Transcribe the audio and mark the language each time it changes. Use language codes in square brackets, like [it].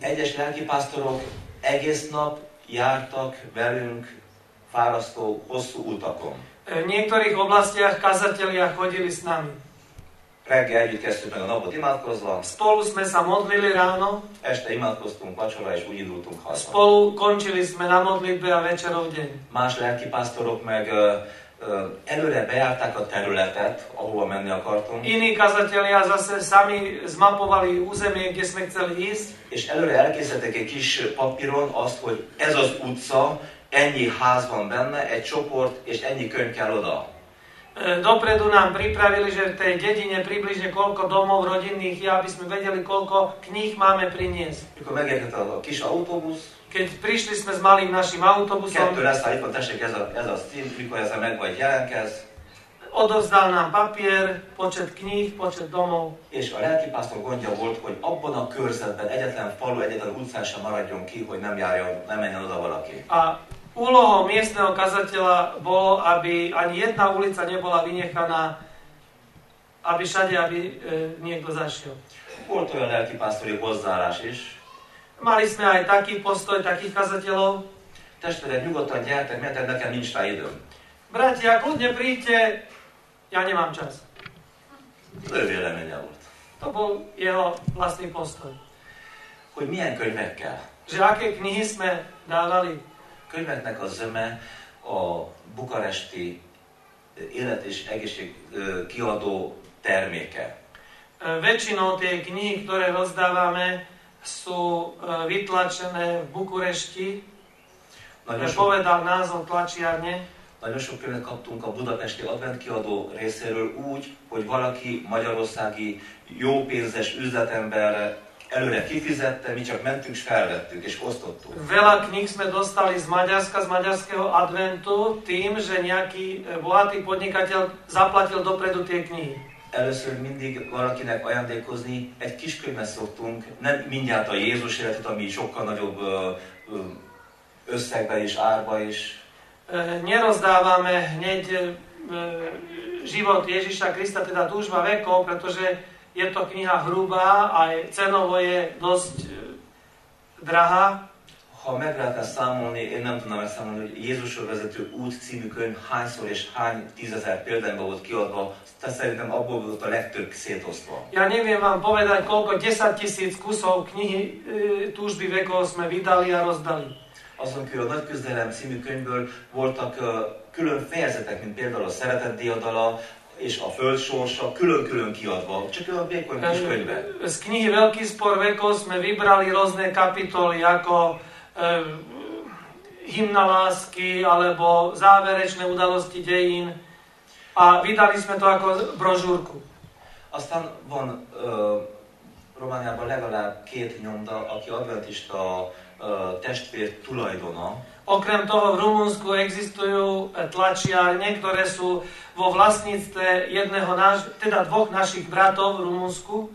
[hu] Egyes lelkipásztorok egész nap jártak velünk fárasztó hosszú utakon. [sk] V niektorých oblastiach kazatelia chodili s nami. [hu] Reggel együtt kezdtük meg a napot imádkozva. [sk] Spolu sme sa modlili ráno. [hu] Este imádkoztunk vacsora, és úgy indultunk haza. [sk] Spolu končili sme na modlitbe a večerov deň. [hu] Más lelkipásztorok meg előre bejárták a területet, ahova menni akartunk. [sk] Iní kazatelia zase sami zmapovali územie, kde sme chceli ísť. [hu] És előre elkészítettek egy kis papíron azt, hogy ez az utca, ennyi ház van benne, egy csoport, és ennyi könyv kell oda. [sk] Dopredu nám pripravili, že v tej dedine približne koľko domov rodinných je, aby sme vedeli, koľko kníh máme priniesť. [hu] Ako megérkezett a kis autobus. [sk] Keď prišli sme s malým našim autobusom. [hu] Kettő lesz, a ipon tessék, ez a stíl, mikor ez a megvagy jelenkez. [sk] Odovzdal nám papier, počet kníh, počet domov. [hu] És a lelkipásztor gondja volt, hogy abban a körzetben egyetlen falu, egyetlen utcán sem maradjon ki, hogy nem járjon, nem menjen oda valaki. [sk] A úlohou miestneho kazateľa bolo, aby ani jedna ulica nebola vynechaná, aby všade, aby niekto zašiel. Bol to jeho [hu] lelkipásztori hozzáállás is. [sk] Mali sme aj taký postoj, takých kazateľov. [hu] Testvére, nyugodtan gyertek, mert nekem nincs rá időm. [sk] Bratia, kľudne príďte, ja nemám čas. To je vélemenia volt. To bol jeho vlastný postoj. [hu] Hogy milyen könyvekkel? [sk] Že aké knihy sme dávali? [hu] Könyveknek a zöme a bukaresti élet és egészség kiadó terméke. [sk] Väčšinou tie knihy, ktoré rozdávame, sú vytlačené v Bukurešti. Povedal názov tlačiarne. [hu] Nagyon sok könyvet kaptunk a budapesti advent kiadó részéről úgy, hogy valaki magyarországi jópénzes üzletember előre kifizette, mi csak mentünk, s felvettük, és osztottuk. [sk] Veľa kníh sme dostali z Maďarska, z maďarského adventu, tým, že nejaký bohatý podnikateľ zaplatil dopredu tie knihy. [hu] Először mindig valakinek ajándékozni egy kis könyvet szoktunk, nem mindjárt a Jézus életet, ami sokkal nagyobb összegben is, árba is. [sk] Nerozdávame hneď život Ježíša Krista, teda Túžba vekov, pretože je to kniha hrubá a cenovo je dosť drahá. [hu] Ha meg lehetne számolni, én nem tudnám megszámolni, hogy Jézusról vezető út című könyv hányszor és hány tízezer példányban volt kiadva, te szerintem abból volt a legtöbb szétosztva. [sk] Ja neviem vám povedať, koľko 10 000 kusov knihy Túžby vekov sme vydali a rozdali. [hu] Azon kívül a Nagy Küzdelem című könyvből voltak külön fejezetek, mint például a Szeretet diadala, és a Föld sorsa külön-külön kiadva, csak a vékony kis könyve. [sk] Z knihy Veľký spor vekov sme vybrali rôzne kapitoly, ako hymna lásky, alebo záverečné udalosti dejín, a vydali sme to ako brožúrku. [hu] Aztán van Romániában legalább két nyomda, aki adventista testvér tulajdona. [sk] Okrem toho v Rumunsku existujú tlačiarne, ktoré sú vo vlastníctve jedného náš, teda dvoch našich bratov v Rumunsku.